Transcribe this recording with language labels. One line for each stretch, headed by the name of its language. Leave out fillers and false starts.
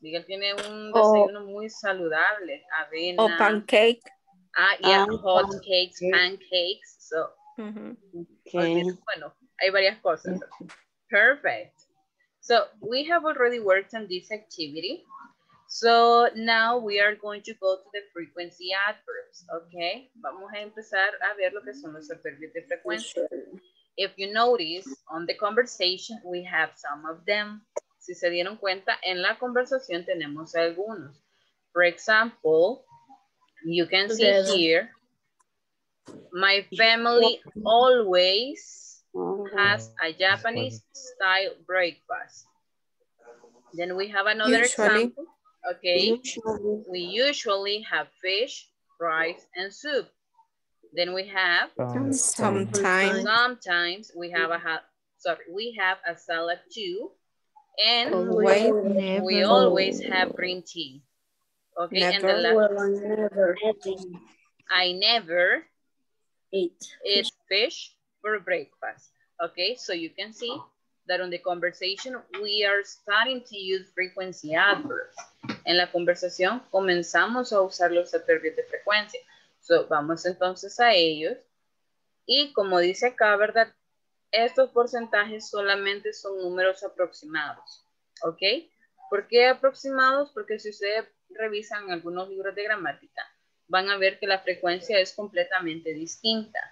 Spanish: Miguel tiene un desayuno muy saludable. Avena. O pancake.
English: Ah, yeah, hot cakes, pancakes. So,
Spanish: bueno, hay varias cosas.
English: Perfect. So, we have already worked on this activity. So, now we are going to go to the frequency adverbs, okay?
Spanish: Vamos a empezar a ver lo que son los adverbios de frecuencia.
English: If you notice, on the conversation, we have some of them.
Spanish: Si se dieron cuenta, en la conversación tenemos algunos.
English: For example, you can see here, my family always has a Japanese style breakfast. Then we have another example. Okay, we usually have fish, rice, and soup. Then we have sometimes we have a salad too, and we always have green tea. Okay, never. And the last, I never eat fish for breakfast. Okay, so you can see that on the conversation, we are starting to use frequency adverbs.
Spanish: En la conversación, comenzamos a usar los adverbios de frecuencia. So, vamos entonces a ellos. Y como dice acá, ¿verdad? Estos porcentajes solamente son números aproximados. ¿Ok? ¿Por qué aproximados? Porque si ustedes revisan algunos libros de gramática, van a ver que la frecuencia es completamente distinta.